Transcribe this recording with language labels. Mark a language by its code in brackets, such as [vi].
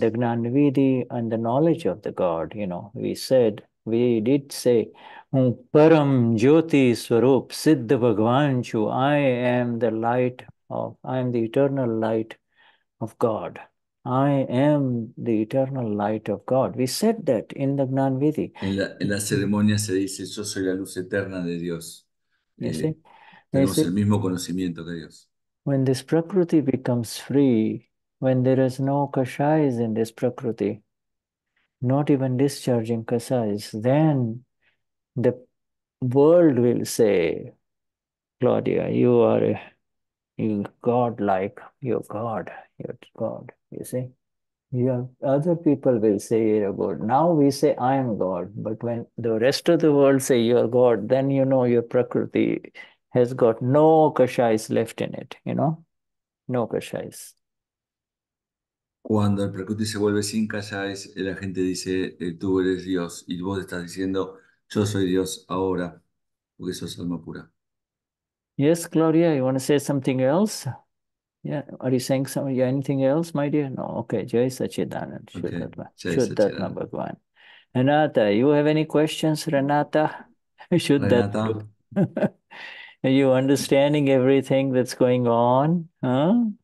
[en] the Gnanavidhi and the knowledge of the God, you know, we did say, [gu] Param Jyoti Swarup Siddha Bhagavanchu, [en] I am the light of I am the eternal light of God. I am the eternal light of God. We said that in the Gnanavidhi. [es] En la ceremonia se dice, yo soy la luz eterna de Dios. [en] You see? You [es] Tenemos el [en] see? [es] mismo conocimiento que Dios. [en] When this prakriti becomes free, when there is no kashais in this prakriti, not even discharging kashais, then the world will say, Claudia, you are a godlike, you're God. You see, other people will say you're God. Now we say I am God, but when the rest of the world say you're God, then you know your prakriti has got no kashais left in it, you know, no kashais. [es] Cuando el Prakruti se vuelve sin kayais, la gente dice, tú eres Dios, y vos estás diciendo, yo soy Dios ahora, porque sos alma pura. [en] Yes, Claudia, you want to say something else? Yeah, are you saying something? Yeah, anything else, my dear? No, okay. Jai Sachidanand, Ok, [gu] Shuddhatma, Shuddhatma Jai [en] Bhagwan. Renata, you have any questions, Renata? Renata. Shuddhatma. Are you understanding everything that's going on? Huh?